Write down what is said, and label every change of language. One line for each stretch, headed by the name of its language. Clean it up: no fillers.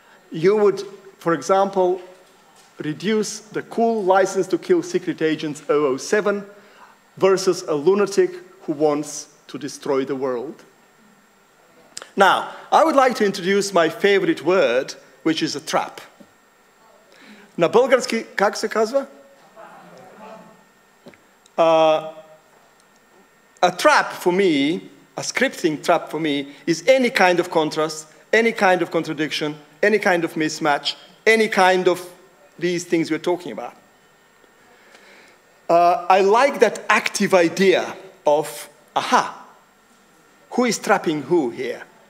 English: You would, for example, reduce the cool license to kill secret agents 007 versus a lunatic who wants to destroy the world. Now, I would like to introduce my favorite word, which is a trap.
Bulgarian: На български как се казва?
English: A trap for me, a scripting trap for me, is any kind of contrast, any kind of contradiction, any kind of mismatch, any kind of these things we're talking about. I like that active idea of, aha, who is trapping who here?